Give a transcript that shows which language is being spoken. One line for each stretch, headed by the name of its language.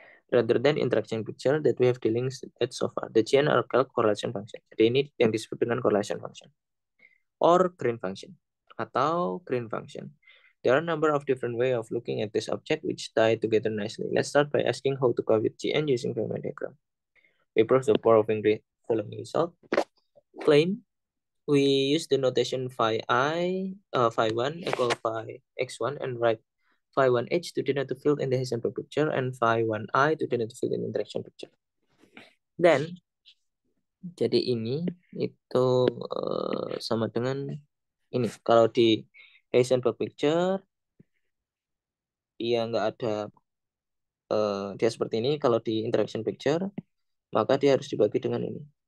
English: Rather than interaction picture that we have dealing with so far, the GN are called correlation function.
Indonesian: Jadi ini yang disebut dengan correlation function or Green function atau Green function.
English: There are a number of different way of looking at this object which tie together nicely. Let's start by asking how to compute GN using Feynman diagram. We prove the following following result. Claim, we use the notation phi I, phi 1 equal phi x1 and write phi 1h to denote the field in the Heisenberg picture and phi 1i to denote the field in the interaction picture.
Indonesian: Then, jadi ini, itu sama dengan ini. Kalau di Heisenberg picture, dia nggak ada, dia seperti ini. Kalau di interaction picture, maka dia harus dibagi dengan ini.